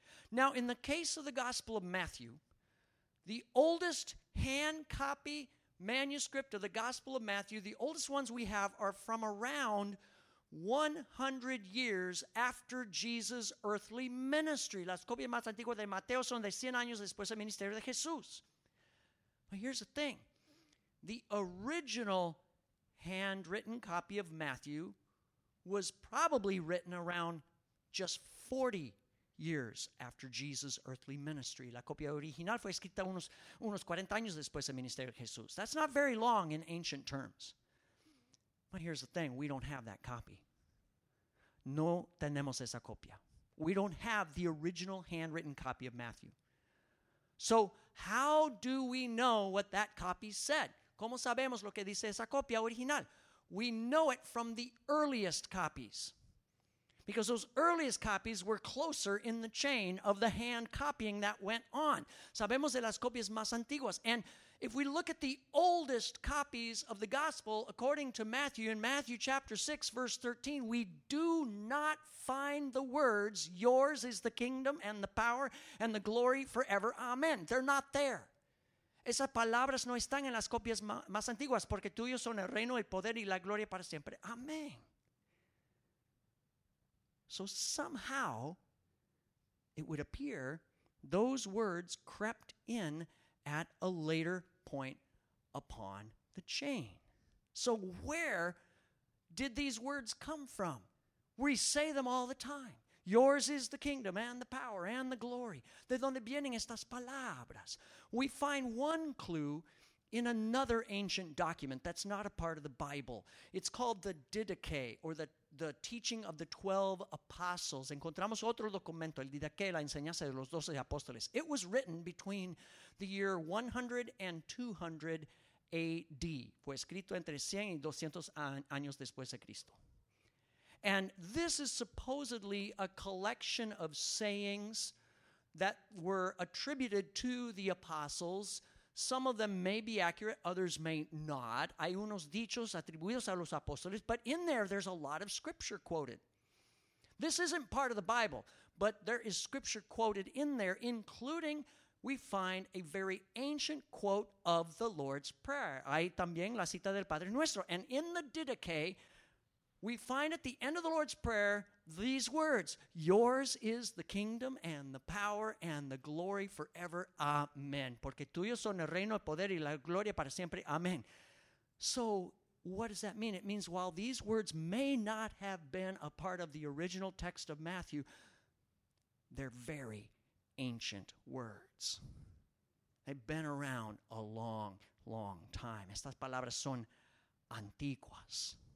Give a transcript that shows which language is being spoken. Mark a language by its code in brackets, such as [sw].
[en] Now, in the case of the Gospel of Matthew, the oldest hand copy manuscript of the Gospel of Matthew, the oldest ones we have are from around 100 years after Jesus' earthly ministry. [es] Las copias más antiguas de Mateo son de 100 años después del ministerio de Jesús. [en] But here's the thing. The original handwritten copy of Matthew was probably written around just 40 years after Jesus' earthly ministry. [es] La copia original fue escrita unos 40 años después del ministerio de Jesús. [en] That's not very long in ancient terms. But here's the thing, we don't have that copy. No tenemos esa copia. We don't have the original handwritten copy of Matthew. So how do we know what that copy said? [es] ¿Cómo sabemos lo que dice esa copia original? [en] We know it from the earliest copies. Because those earliest copies were closer in the chain of the hand copying that went on. Sabemos de las copias más antiguas. And if we look at the oldest copies of the gospel, according to Matthew, in Matthew chapter 6, verse 13, we do not find the words, yours is the kingdom and the power and the glory forever. Amen. They're not there. [es] Esas palabras no están en las copias más antiguas, porque tuyos son el reino, el poder y la gloria para siempre. Amen. [en] So somehow, it would appear, those words crept in at a later point upon the chain. So where did these words come from? We say them all the time. Yours is the kingdom and the power and the glory. ¿De dónde vienen estas palabras? We find one clue in another ancient document that's not a part of the Bible. It's called the Didache, or the teaching of the 12 apostles. [es] Encontramos otro documento, el Didache, la enseñanza de los 12 apóstoles. [en] It was written between the year 100 and 200 AD. [es] Fue escrito entre 100 y 200 años después de Cristo. [en] And this is supposedly a collection of sayings that were attributed to the apostles. Some of them may be accurate, others may not. Hay unos dichos atribuidos a los apóstoles, but in there, there's a lot of scripture quoted. This isn't part of the Bible, but there is scripture quoted in there, including we find a very ancient quote of the Lord's Prayer. Hay también la cita del Padre Nuestro. And in the Didache, we find at the end of the Lord's Prayer these words, yours is the kingdom and the power and the glory forever. Amen. [es] Porque tuyo son el reino, el poder y la gloria para siempre. Amen. [en] So what does that mean? It means while these words may not have been a part of the original text of Matthew, they're very ancient words. They've been around a long, long time. Estas palabras son antiguas.